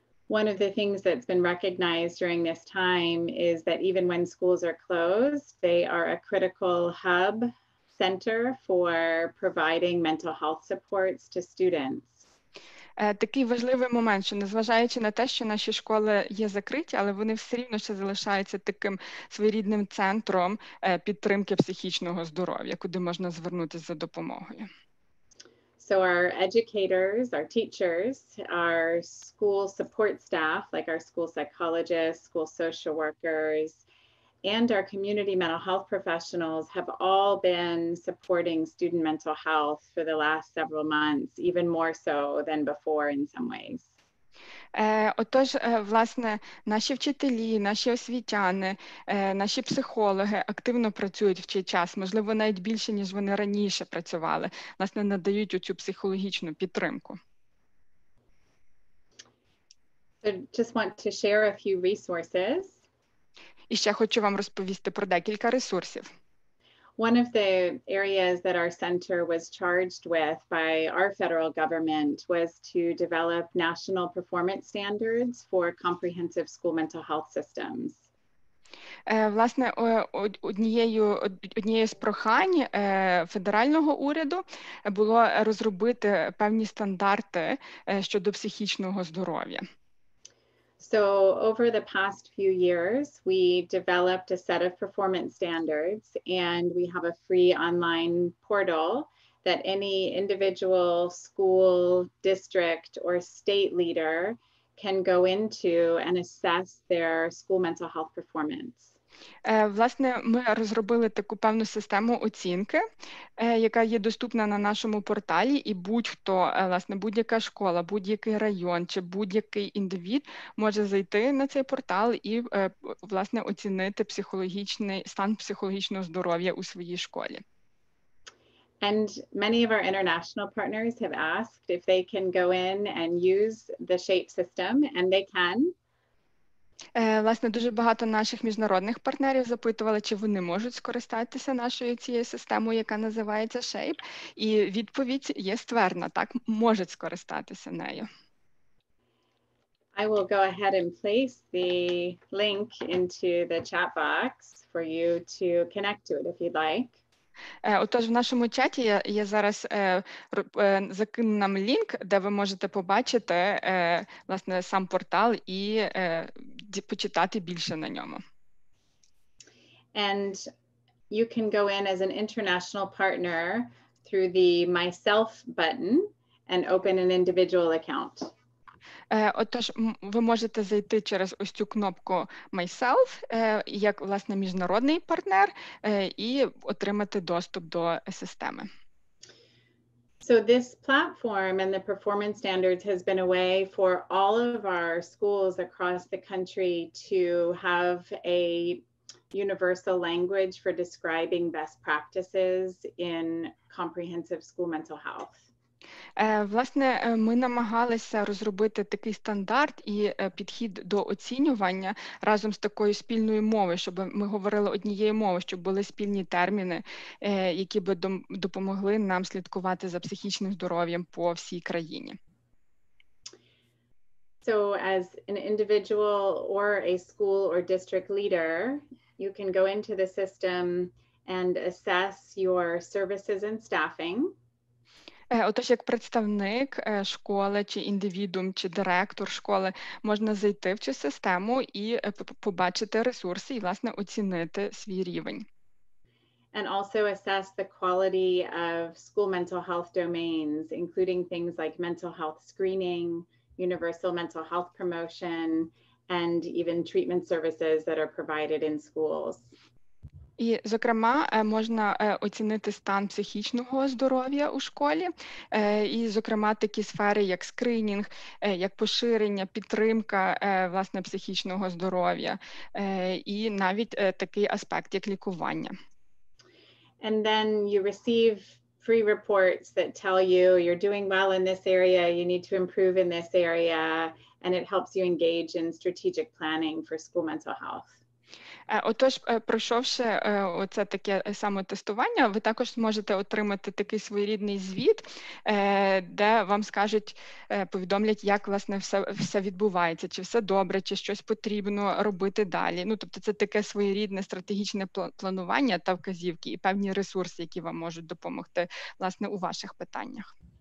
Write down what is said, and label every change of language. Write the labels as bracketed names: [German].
[English] One of the things that's been recognized during this time is that even when schools are closed, they are a critical hub center for providing mental health supports to students. [Ukrainian] Такий важливий момент, що незважаючи на те, що наші школи є закриті, але вони все рівно ще залишаються таким своєрідним центром підтримки психічного здоров'я, куди можна звернутися за допомогою. [English] So our educators, our teachers, our school support staff, like our school psychologists, school social workers, and our community mental health professionals have all been supporting student mental health for the last several months, even more so than before in some ways. [Ukrainian] Отож, власне, наші вчителі, наші освітяни, наші психологи активно працюють в цей час, можливо, навіть більше, ніж вони раніше працювали, власне, надають оцю психологічну підтримку. [English] So just want to share a few resources. [Ukrainian] І ще хочу вам розповісти про декілька ресурсів. [English] One of the areas that our center was charged with by our federal government was to develop national performance standards for comprehensive school mental health systems. [Ukrainian] Власне, однією з прохань федерального уряду було розробити певні стандарти щодо психічного здоров'я. [English] So over the past few years, we developed a set of performance standards and we have a free online portal that any individual school, district, or state leader can go into and assess their school mental health performance. [Ukrainian] Власне, ми розробили таку певну систему оцінки, яка є доступна на нашому порталі, і будь-хто, власне, будь-яка школа, будь-який район чи будь-який індивід може зайти на цей портал і, власне, оцінити психологічний стан психологічного здоров'я у своїй школі. [English] And many of our international partners have asked if they can go in and use the SHAPE system, and they can. [Ukrainian] Власне, дуже багато наших міжнародних партнерів запитували, чи вони можуть скористатися нашою цією системою, яка називається SHAPE. І відповідь є ствердна, так, можуть скористатися нею. [English] I will go ahead and place the link into the chat box for you to connect to it if you'd like. [Ukrainian] Отож, в нашому чаті я зараз закину нам лінк, де ви можете побачити, власне, сам портал і почитати більше на ньому. [English] And you can go in as an international partner through the myself button and open an individual account. [Ukrainian] Отож, ви можете зайти через ось цю кнопку Myself, як, власне, міжнародний партнер, і отримати доступ до системи. [English] So this platform and the performance standards has been a way for all of our schools across the country to have a universal language for describing best practices in comprehensive school mental health. [Ukrainian] Власне, ми намагалися розробити такий стандарт і підхід до оцінювання разом з такою спільною мовою, щоб ми говорили однією мовою, щоб були спільні терміни, які би допомогли нам слідкувати за психічним здоров'ям по всій країні. [English] So as an individual or a school or district leader, you can go into the system and assess your services and staffing. [Ukrainian] Отож, як представник школи, чи індивідуум, чи директор школи, можна зайти в цю систему і побачити ресурси, і, власне, оцінити свій рівень. [English] And also assess the quality of school mental health domains, including things like mental health screening, universal mental health promotion, and even treatment services that are provided in schools. [Ukrainian] І, зокрема, можна оцінити стан психічного здоров'я у школі, і, зокрема, такі сфери, як скринінг, як поширення, підтримка, власне, психічного здоров'я, і навіть такий аспект, як лікування. [English] And then you receive free reports that tell you you're doing well in this area, you need to improve in this area, and it helps you engage in strategic planning for school mental health. [Ukrainian] Отож, пройшовши оце таке самотестування, ви також можете отримати такий своєрідний звіт, де вам скажуть, повідомлять, як, власне, все відбувається, чи все добре, чи щось потрібно робити далі. Ну, тобто, це таке своєрідне стратегічне планування та вказівки і певні ресурси, які вам можуть допомогти, власне, у ваших питаннях.